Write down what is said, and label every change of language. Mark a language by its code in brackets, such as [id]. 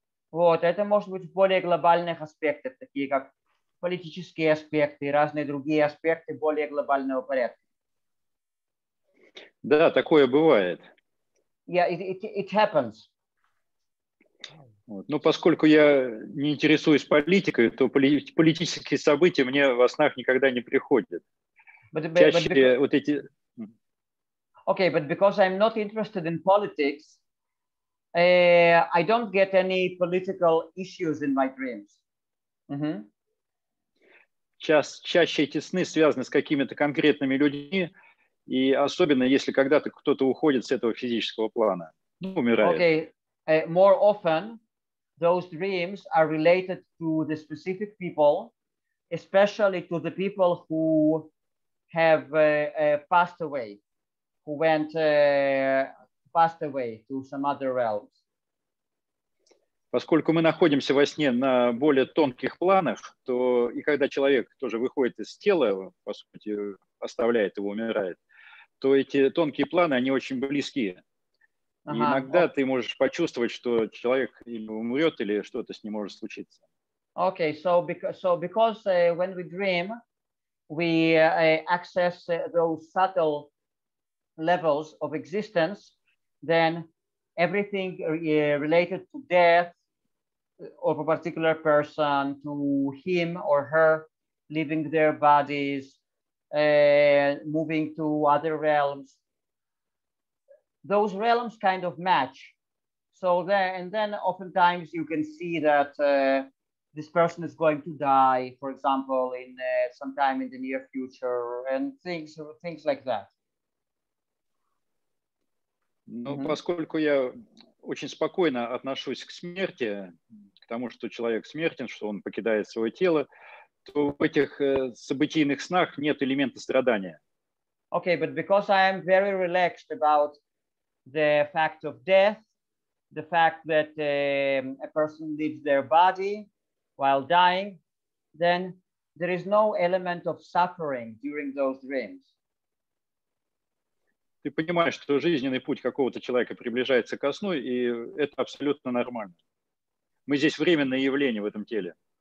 [ru] Вот, это может быть в более глобальных аспектах, такие как политические аспекты и разные другие аспекты более глобального порядка. Да, такое бывает. [en] Yeah, it happens. [ru] Вот. Ну, поскольку я не интересуюсь политикой, то политические события мне во снах никогда не приходят. [en] Okay, but because I'm not interested in politics, I don't get any political issues in my dreams. Mm-hmm. [ru] Чаще эти сны связаны с какими-то конкретными людьми, и особенно если когда-то кто-то уходит с этого физического плана, умирает. [en] Okay, more often those dreams are related to the specific people, especially to the people who have passed away. Who went passed away to some other realms. [ru] Поскольку мы находимся во сне на более тонких планах, то и когда человек тоже выходит из тела, по сути, оставляет его, умирает, то эти тонкие планы, они очень близки. Uh-huh. Иногда ты можешь почувствовать, что человек или умрет, или что-то с ним может случиться. [en] Okay, because when we dream, we access those subtle levels of existence, then everything related to death of a particular person, to him or her leaving their bodies, moving to other realms, those realms kind of match. So there, and then oftentimes you can see that this person is going to die, for example, in sometime in the near future, and things like that. Ну, mm-hmm. [ru] поскольку я очень спокойно отношусь к смерти, к тому, что человек смертен, что он покидает свое тело, то в этих событийных снах нет элемента страдания. [en] Okay, but because I am very relaxed about the fact of death, the fact that a person leaves their body while dying, then there is no element of suffering during those dreams. [ru] Ты понимаешь, что жизненный путь какого-то человека приближается ко сну, и это абсолютно нормально. Мы здесь временное явление в этом теле.